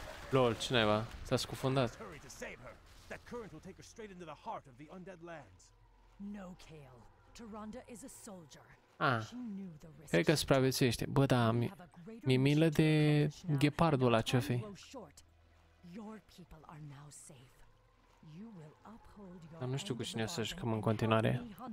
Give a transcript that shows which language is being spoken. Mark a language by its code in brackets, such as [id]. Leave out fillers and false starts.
[ro] Lol, cineva s-a scufundat. [en] That current will take her straight into the heart of the undead lands. No, Kale. Tyrande is a soldier. Ah. [ro] Cred că supraviețuiește. Bă, da, mi-e milă de ghepardul ăla, ce-o fi. [en] Your people are now safe. You will uphold your. [ro] Dar nu știu cu cine să jucăm în continuare.